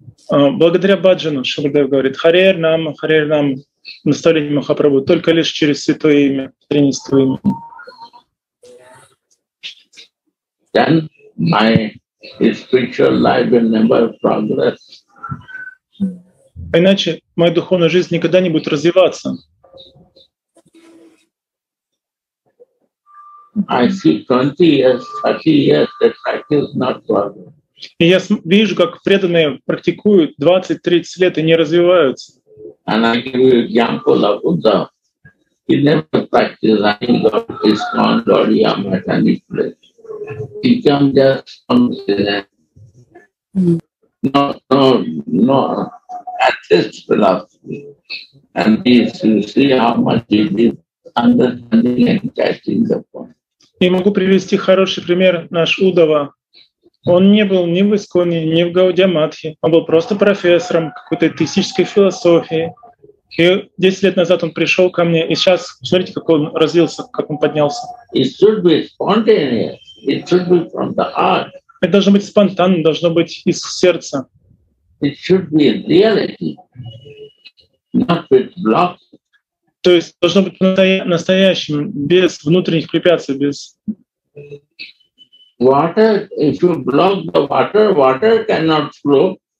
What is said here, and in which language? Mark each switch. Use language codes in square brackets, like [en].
[ru] Благодаря Баджану, Шилдев говорит, Харе Нам, наставление Махапрабху, только лишь через Святое Имя, Тринистое Имя. [en] Then my spiritual life will never progress. [ru] Иначе моя духовная жизнь никогда не будет развиваться. [en] I see 20 years, 30 years, the practice is not progress. [ru] И я вижу, как преданные практикуют 20-30 лет и не развиваются. [en] And I give you example of Buddha. He never practiced any God, his own God, Yam at any place. He came just from the land. No, atheist philosophy. And you see how much he did understanding and catching the point. [ru] И могу привести хороший пример наш Удава. Он не был ни в Исконе, ни в Гаудия-матхе. Он был просто профессором какой-то теистической философии. И 10 лет назад он пришел ко мне, и сейчас смотрите, как он развился, как он поднялся. [en] It should be spontaneous. It should be from the heart. [ru] Это должно быть спонтанно, должно быть из сердца. [en] It should be reality, not with blocks. [ru] То есть должно быть настоящим, без внутренних препятствий, без... [en] Water, if you block the water, water cannot flow.